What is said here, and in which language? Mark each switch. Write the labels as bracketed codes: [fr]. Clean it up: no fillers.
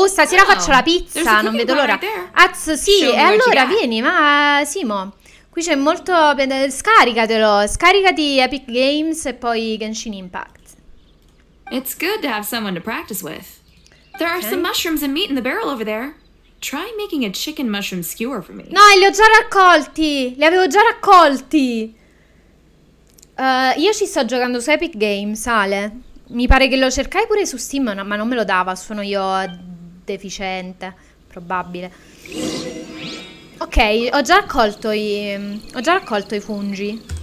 [it] Oh, stasera faccio la pizza, non vedo l'ora. Az, sì, e allora vieni, ma Simo, qui c'è molto... Scaricatelo, scaricati Epic Games e poi Genshin Impact. [en] It's good to have someone to practice with. There are some mushrooms and meat in the barrel over there. Try making a chicken mushroom skewer for me. [it] No, li ho già raccolti. Li avevo già raccolti. Io ci sto giocando su Epic Games, Ale. Mi pare che lo cercai pure su Steam, ma non me lo dava. Sono io deficiente. Probabile. Ok, ho già raccolto i funghi.